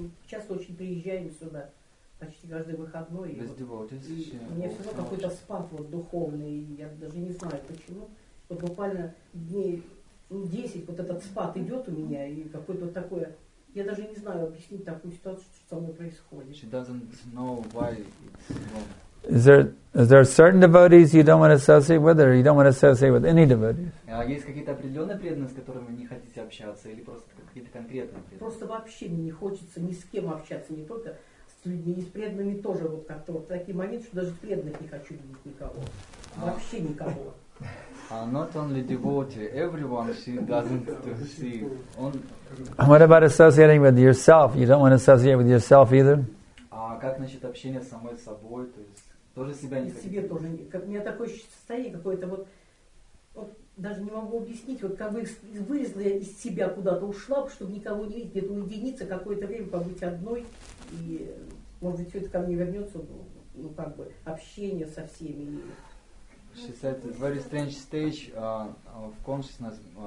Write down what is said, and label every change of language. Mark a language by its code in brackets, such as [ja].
[ru] Часто очень приезжаем сюда почти каждый выходной. [en] With devotees, [ru] и у меня все равно какой-то спад вот духовный, и я даже не знаю почему. Вот буквально дней 10 вот этот спад идет у меня, и какое-то вот такое. Я даже не знаю объяснить такую ситуацию, что со мной происходит. [en] She doesn't know why it's wrong. Is there certain devotees you don't want to associate with, or you don't want to associate with any devotees? [ru] Есть какие-то определенные преданные, с которыми не хотите общаться, или просто какие-то конкретные преданные? Просто вообще мне не хочется ни с кем общаться, не только с людьми, и с преданными тоже вот как-то вот такие моменты, что даже преданных не хочу видеть никого, вообще никого. [en] Not only devotee, everyone she doesn't to see. What about associating with yourself? You don't want to associate with yourself either? [ru] А как насчет общения с самой собой, то есть тоже себя не хотите? Себе тоже, как, у меня такое состояние какое-то, вот, вот даже не могу объяснить, вот как бы вылезла я из себя куда-то, ушла, чтобы никого не видеть, где-то уединиться, какое-то время побыть одной, и может быть все это ко мне вернется, ну как бы общение со всеми. [en] She said it's a very strange stage of consciousness.